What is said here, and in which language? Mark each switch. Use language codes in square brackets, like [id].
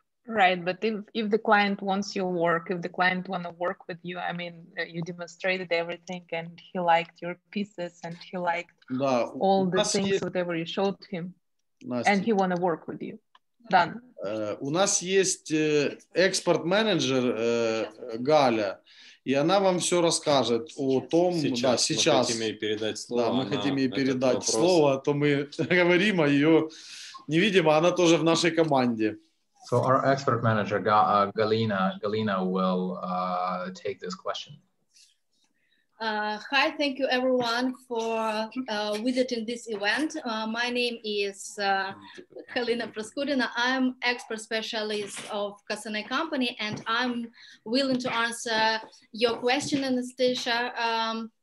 [en] Right, but if the client wants your work, if the client want to work with you, I mean, you demonstrated everything and he liked your pieces and he liked all the things, whatever you showed him, Настя, and he want to work with you. Done. [ru] У нас есть экспорт-менеджер Галя, и она вам все расскажет о том, сейчас, да, сейчас. Мы хотим ей передать слово. Да, мы хотим ей передать вопрос. Слово, а то мы говорим, а ее не видим, а она тоже в нашей команде. [en] So our expert manager, Galina will take this question. Hi, thank you everyone for visiting this event. My name is Galina Praskudina. I'm expert specialist of Kassone company and I'm willing to answer your question, Anastasia.